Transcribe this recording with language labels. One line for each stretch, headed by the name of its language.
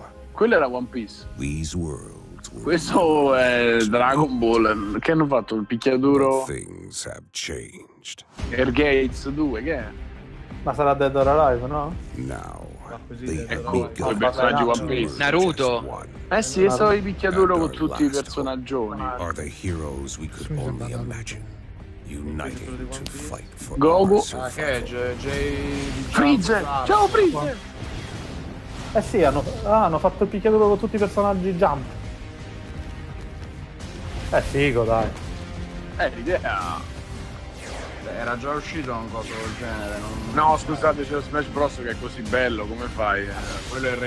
Italian: Quello era One Piece.
English: These worlds
Italian: questo è Dragon Ball. Che hanno fatto? Il picchiaduro?
English: Things have changed.
Italian: Air Gates 2, che è? Ma sarà Dead or Alive, no? Ecco, i personaggi One Piece. Naruto! Eh sì, è stato il picchiaduro con tutti i personaggioni.
English: Are the heroes we could only imagine uniting to fight for our survival.
Italian: Ah, che è? Freezer! Ciao, Freezer! Eh sì, hanno fatto il picchiaduro con tutti i personaggi Jump. È figo, dai. È l'idea. Era già uscito un coso del genere. No, scusate, c'è Smash Bros. Che è così bello, come fai? Quello è il re.